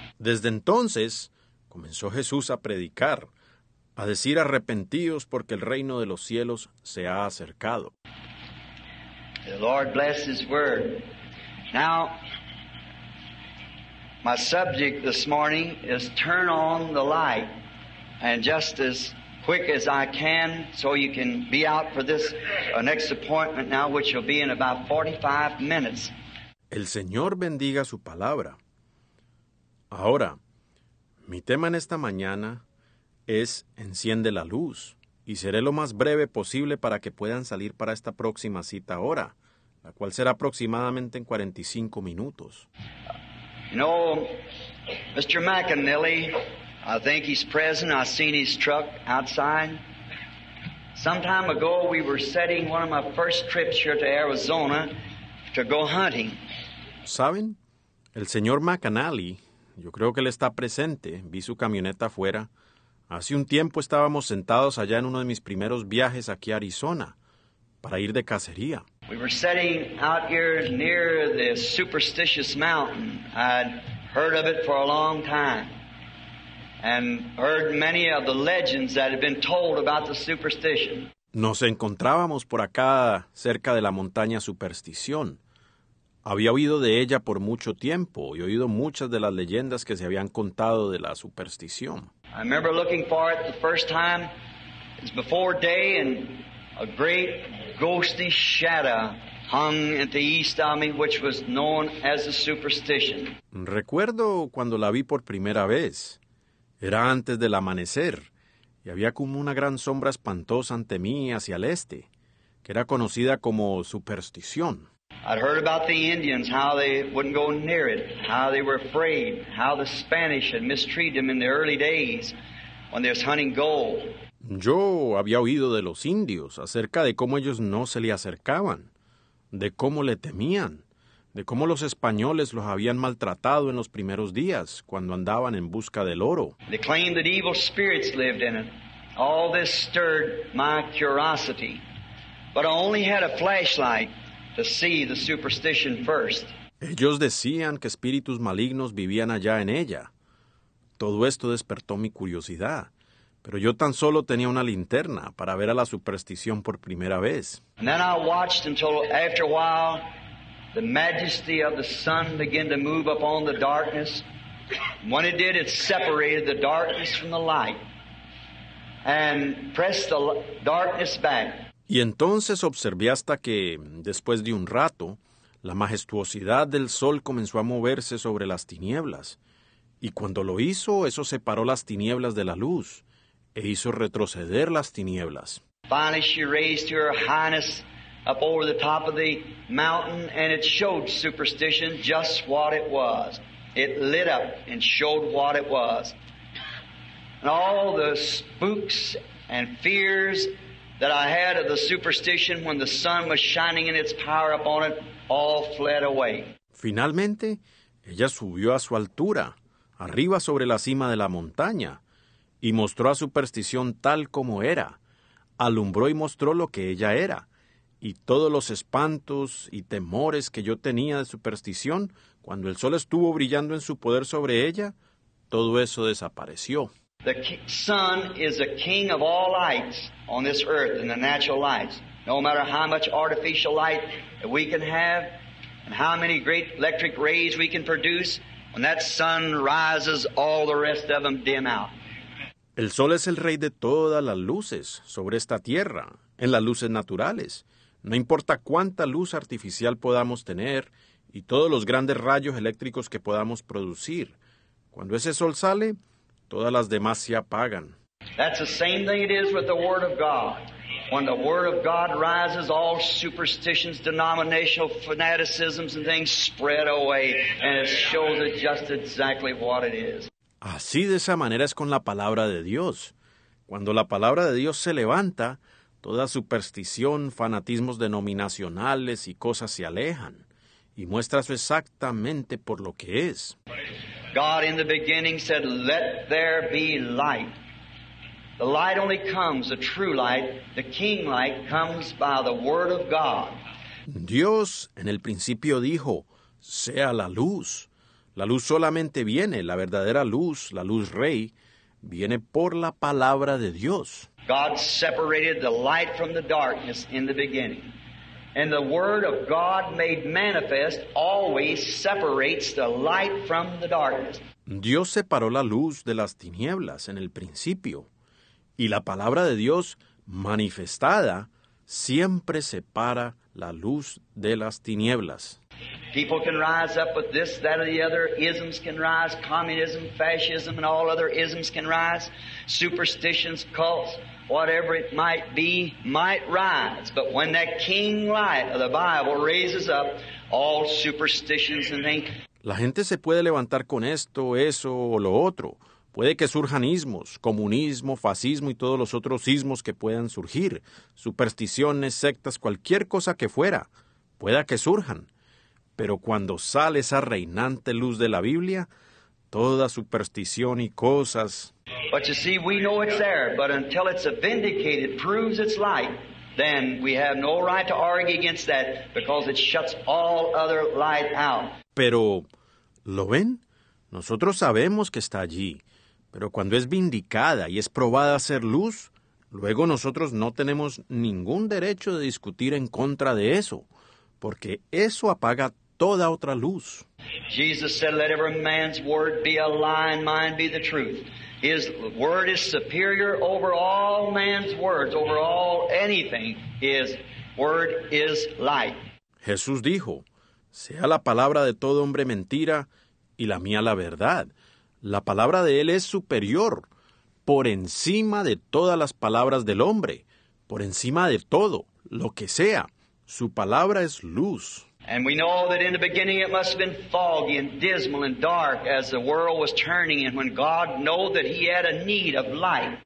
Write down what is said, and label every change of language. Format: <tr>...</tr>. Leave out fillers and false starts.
<es>Desde entonces, comenzó Jesús a predicar, a decir arrepentíos porque el reino de los cielos se ha acercado.</es> <en>The Lord bless his word. Now, my subject this morning is turn on the light. And just as quick as I can, so you can be out for this next appointment now, which will be in about 45 minutes.</en> <es>El Señor bendiga su palabra. Ahora, mi tema en esta mañana es enciende la luz, y seré lo más breve posible para que puedan salir para esta próxima cita ahora, la cual será aproximadamente en 45 minutos.</es> <en>You know, Mr. McAnally, I think he's present. I seen his truck outside. Some time ago, we were setting one of my first trips here to Arizona to go hunting.</en> <es>¿Saben? El señor McAnally, yo creo que él está presente. Vi su camioneta afuera. Hace un tiempo estábamos sentados allá en uno de mis primeros viajes aquí a Arizona para ir de cacería.</es> <en>We were sitting out here near the Superstitious Mountain. I'd heard of it for a long time and heard many of the legends that had been told about the superstition.</en> <es>Nos encontrábamos por acá cerca de la montaña Superstición. Había oído de ella por mucho tiempo y oído muchas de las leyendas que se habían contado de la superstición.</es> <en>I remember looking for it the first time. It's before day, and a great ghostly shadow hung at the east of me, which was known as a superstition.</en> <es>Recuerdo cuando la vi por primera vez. Era antes del amanecer, y había como una gran sombra espantosa ante mí hacia el este, que era conocida como superstición.</es> <en>I'd heard about the Indians, how they wouldn't go near it, how they were afraid, how the Spanish had mistreated them in the early days when they were hunting gold.</en> <es>Yo había oído de los indios acerca de cómo ellos no se le acercaban, de cómo le temían, de cómo los españoles los habían maltratado en los primeros días cuando andaban en busca del oro.</es> <en>They claimed that evil spirits lived in it. All this stirred my curiosity. But I only had a flashlight to see the superstition first.</en> <es>Ellos decían que espíritus malignos vivían allá en ella. Todo esto despertó mi curiosidad, pero yo tan solo tenía una linterna para ver a la superstición por primera vez.</es> <en>And then I watched until after a while the majesty of the sun began to move upon the darkness. When it did, it separated the darkness from the light and pressed the darkness back.</en> <es>Y entonces observé hasta que, después de un rato, la majestuosidad del sol comenzó a moverse sobre las tinieblas. Y cuando lo hizo, eso separó las tinieblas de la luz e hizo retroceder las tinieblas.</es> <en>Finally, she raised her highness up over the top of the mountain, and it showed superstition just what it was. It lit up and showed what it was. And all the spooks and fears that I had of the superstition when the sun was shining in its power upon it, all fled away.</en> <es>Finalmente, ella subió a su altura, arriba sobre la cima de la montaña, y mostró a superstición tal como era, alumbró y mostró lo que ella era, y todos los espantos y temores que yo tenía de superstición, cuando el sol estuvo brillando en su poder sobre ella, todo eso desapareció.</es> <en>The sun is the king of all lights on this earth in the natural lights. No matter how much artificial light that we can have and how many great electric rays we can produce, when that sun rises, all the rest of them dim out.</en> <es>El sol es el rey de todas las luces sobre esta tierra, en las luces naturales. No importa cuánta luz artificial podamos tener y todos los grandes rayos eléctricos que podamos producir. Cuando ese sol sale, todas las demás se apagan.</es> <en>That's the same thing it is with the Word of God. When the Word of God rises, all superstitions, denominational fanaticisms, and things spread away, and it shows it just exactly what it is.</en> <es>Así de esa manera es con la palabra de Dios. Cuando la palabra de Dios se levanta, toda superstición, fanatismos denominacionales y cosas se alejan, y muestra eso exactamente por lo que es.</es> <en>God in the beginning said, "Let there be light." The light only comes, the true light, the king light, comes by the word of God.</en> <es>Dios en el principio dijo, sea la luz. La luz solamente viene, la verdadera luz, la luz rey, viene por la palabra de Dios.</es> <en>God separated the light from the darkness in the beginning. And the word of God made manifest always separates the light from the darkness.</en> <es>Dios separó la luz de las tinieblas en el principio. Y la palabra de Dios manifestada siempre separa la luz de las tinieblas.</es> <en>People can rise up with this, that, or the other. Isms can rise. Communism, fascism, and all other isms can rise. Superstitions, cults, whatever it might be, might rise. But when that king light of the Bible raises up, all superstitions and things.</en> <es>La gente se puede levantar con esto, eso, o lo otro. Puede que surjan ismos, comunismo, fascismo y todos los otros ismos que puedan surgir, supersticiones, sectas, cualquier cosa que fuera, pueda que surjan. Pero cuando sale esa reinante luz de la Biblia, toda superstición y cosas...</es> <en>But you see, we know it's there, but until it's vindicated, proves its light, then we have no right to argue against that, because it shuts all other light out.</en> <es>Pero, ¿lo ven? Nosotros sabemos que está allí. Pero cuando es vindicada y es probada ser luz, luego nosotros no tenemos ningún derecho de discutir en contra de eso, porque eso apaga toda otra luz.</es> <en>Jesus said, "Let every man's word be a lie and mine be the truth." His word is superior over all man's words, over all anything. His word is light.</en> <es>Jesús dijo, "Sea la palabra de todo hombre mentira y la mía la verdad." La palabra de Él es superior, por encima de todas las palabras del hombre, por encima de todo, lo que sea. Su palabra es luz.</es> <en>And we know that in the beginning it must have been foggy and dismal and dark as the world was turning and when God knew that He had a need of light.</en>